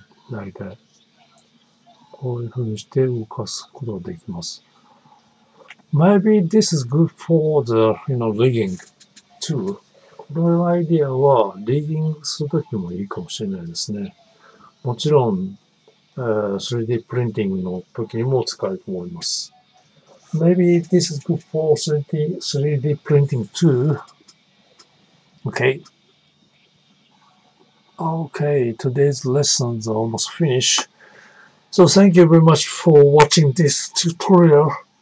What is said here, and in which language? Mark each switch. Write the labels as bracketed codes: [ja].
[ja] 大体こういうふうにして動かすことができます。 [en] Maybe this is good for the, you know, rigging too. [ja] このアイディアはリギングするときもいいかもしれないですね。もちろん、3D プリンティングのときにも使えると思います。 [en] Maybe this is good for 3D printing too. Okay, today's lesson is almost finished. So thank you very much for watching this tutorial.